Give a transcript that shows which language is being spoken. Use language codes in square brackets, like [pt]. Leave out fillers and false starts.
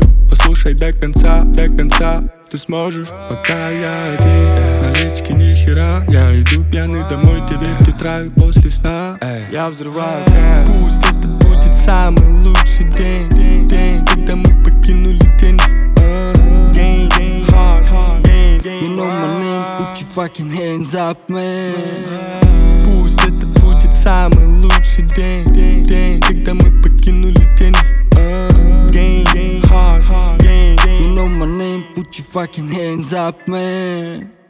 [ru] Послушай до конца. Ты сможешь, пока я один. Налички нихера. Я иду пьяный домой, 9 утра и после сна. Я взрываю кайф. Пусть это будет самый лучший день, когда мы покинули тени. [en] Game, hard game. You know my name, put your fucking hands up, man. [ru] Пусть это будет самый лучший день, когда мы покинули тени. [en] Game, hard game. You know my name, put your fucking hands up, man.